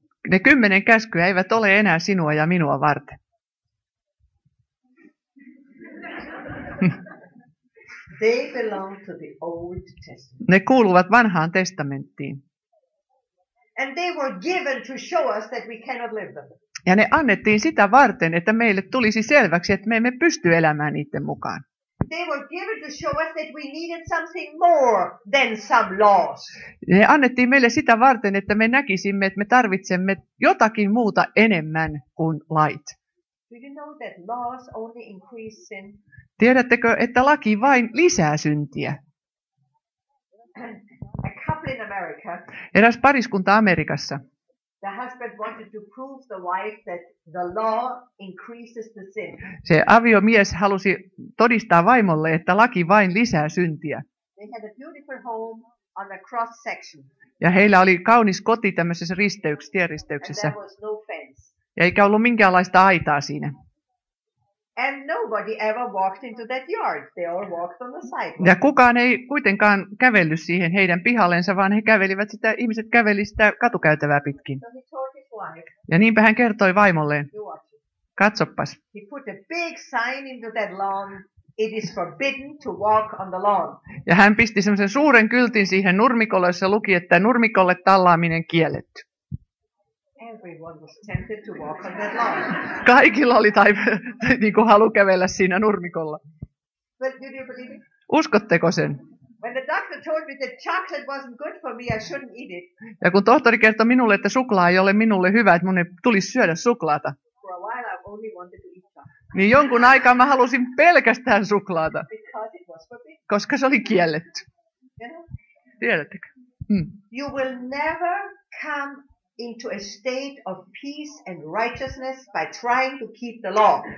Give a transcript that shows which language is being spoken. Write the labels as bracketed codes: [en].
[fi] Ne 10 käskyä eivät ole enää sinua ja minua varten. [en] They belong to the Old Testament. [fi] Ne kuuluvat vanhaan testamenttiin. [en] And they were given to show us that we cannot live them. [fi] Ja ne annettiin sitä varten, että meille tulisi selväksi, että me emme pysty elämään niiden mukaan. [en] They were given to show us that we needed something more than some laws. [fi] Ne annettiin meille sitä varten, että me näkisimme, että me tarvitsemme jotakin muuta enemmän kuin lait. [en] Do you know that laws only increase sin? [fi] Tiedättekö, että laki vain lisää syntiä? [en] A couple in America. [fi] Eräs pariskunta Amerikassa. [en] The husband wanted to prove the wife that the law increases the sin. [fi] Se aviomies halusi todistaa vaimolle, että laki vain lisää syntiä. [en] They had a beautiful home on a cross section. [fi] Ja heillä oli kaunis koti tämmöisessä tieristeyksessä. [en] And there was no fence. [fi] Ja eikä ollut minkäänlaista aitaa siinä. [en] And nobody ever walked into that yard. They all walked on the sidewalk. [fi] Ja kukaan ei kuitenkaan kävellyt siihen heidän pihallensa, vaan he kävelivät sitä, ihmiset käveli sitä katukäytävää pitkin. [en] So he told his wife. [fi] Ja niinpä hän kertoi vaimolleen. Katsoppas. [en] He put a big sign into that lawn. It is forbidden to walk on the lawn. [fi] Ja hän pisti semmoisen suuren kyltin siihen nurmikolle, jossa luki, että nurmikolle tallaaminen kielletty. [en] Everyone was tempted to walk on that lawn. [fi] Kaikilla oli niin kuin halu kävellä siinä nurmikolla. [en] But did you believe it? [fi] Uskotteko sen? [en] When the doctor told me that chocolate wasn't good for me, I shouldn't eat it. [fi] Ja kun tohtori kertoi minulle, että suklaa ei ole minulle hyvä, että mun ei tulisi syödä suklaata. [en] For a while I only wanted to eat chocolate. [fi] Niin jonkun aikaa mä halusin pelkästään suklaata. [en] Because it was forbidden. [fi] Koska se oli kielletty. [en] You know? [fi] Tiedättekö? [en] You will never come into a state of peace and righteousness by trying to keep the law.